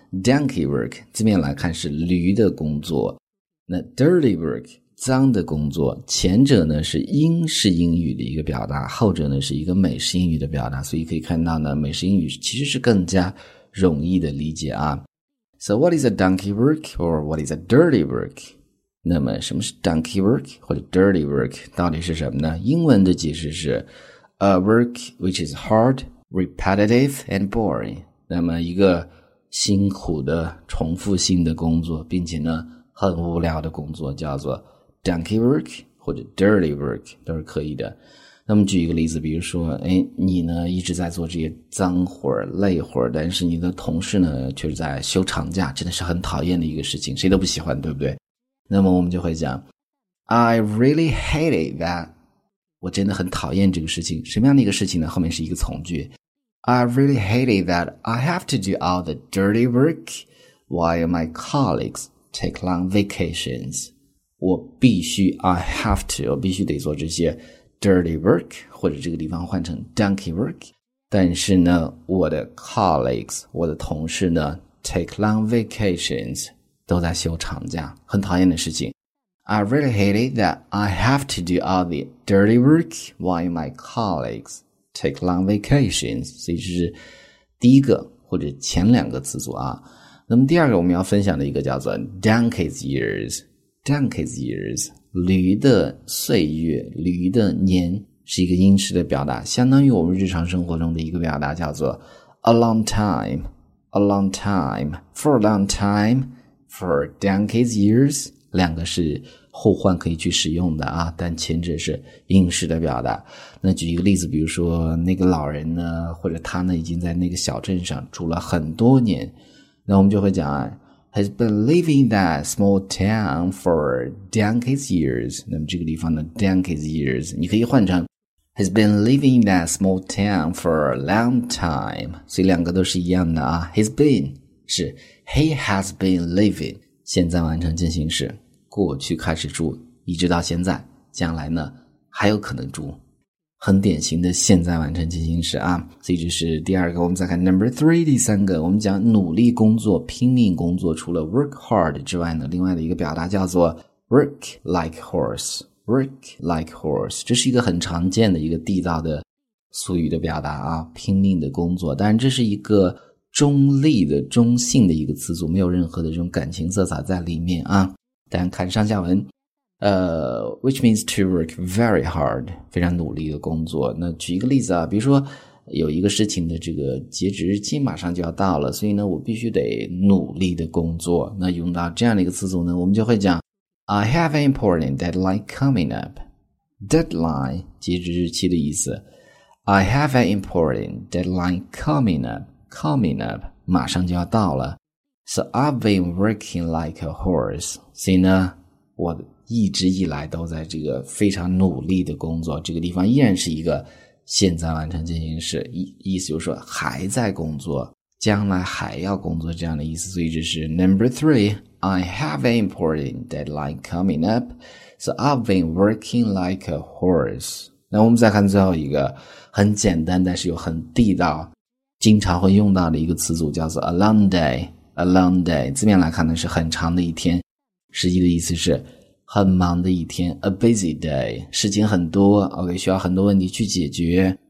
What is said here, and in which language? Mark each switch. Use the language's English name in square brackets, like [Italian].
[Chinese] Donkey work 字面来看是驴的工作，那 dirty work 脏的工作，前者呢是英式英语的一个表达，后者呢是一个美式英语的表达，所以可以看到呢，美式英语其实是更加容易的理解啊。 [English] So what is a donkey work or what is a dirty work？ [Chinese] 那么什么是 donkey work 或者 dirty work 到底是什么呢？英文的解释是 [English] a work which is hard, repetitive, and boring。 [Chinese] 那么一个辛苦的重复性的工作，并且呢很无聊的工作，叫做 donkey work 或者 dirty work 都是可以的。那么举一个例子，比如说，你呢一直在做这些脏活儿、累活儿，但是你的同事呢却是在休长假，真的是很讨厌的一个事情，谁都不喜欢，对不对？那么我们就会讲 ， [English] I really hate it that， [Chinese] 我真的很讨厌这个事情。什么样的一个事情呢？后面是一个从句。 [English] I really hate it that I have to do all the dirty work while my colleagues take long vacations. [Chinese] 我必须 [English] I have to [Chinese] 我必须得做这些 dirty work 或者这个地方换成 donkey work. 但是呢我的 colleagues 我的同事呢 take long vacations 都在休长假，很讨厌的事情。 [English] I really hate it that I have to do all the dirty work while my colleagues take long vacations， [Chinese] 所以这是第一个或者前两个词组啊。那么第二个我们要分享的一个叫做 donkey's years， donkey's years， 驴的岁月，驴的年，是一个英式的表达，相当于我们日常生活中的一个表达，叫做 a long time， a long time， [English] for a long time， [Chinese] for donkey's years， 两个是互换可以去使用的啊，但前者是英式的表达。那举一个例子，比如说那个老人呢，或者他呢，已经在那个小镇上住了很多年，那我们就会讲 ， [English] has been living in that small town for donkey's years。 [Chinese] 那么这个地方的 [English] donkey's years， [Chinese] 你可以换成 [English] has been living in that small town for a long time。 [Chinese] 所以两个都是一样的啊。 [English] has been 是 he has been living， [Chinese] 现在完成进行时。过去开始住，一直到现在，将来呢还有可能住，很典型的现在完成进行时啊。所以这是第二个，我们再看 number three， 第三个，我们讲努力工作、拼命工作，除了 work hard 之外呢，另外的一个表达叫做 work like horse， work like horse， 这是一个很常见的一个地道的俗语的表达啊，拼命的工作，但这是一个中立的、中性的一个词组，没有任何的这种感情色彩在里面啊。但看上下文， [English] which means to work very hard， [Chinese] 非常努力的工作。那举一个例子啊，比如说有一个事情的这个截止日期马上就要到了，所以呢我必须得努力的工作。那用到这样的一个词组呢，我们就会讲 [English] I have an important deadline coming up， [Chinese] deadline 截止日期的意思， I have an important deadline coming up， coming up 马上就要到了。 [English] So I've been working like a horse. [Chinese] 所以呢，我一直以来都在这个非常努力的工作。这个地方依然是一个现在完成进行时，意思就是说还在工作，将来还要工作这样的意思。所以这是 number three. [English] I have an important deadline coming up. So I've been working like a horse. [Chinese] 那我们再看最后一个，很简单但是又很地道，经常会用到的一个词组叫做 a long day。 A long day 字面来看呢是很长的一天，实际的意思是很忙的一天， [English] a busy day， [Chinese] 事情很多， OK， 需要很多问题去解决。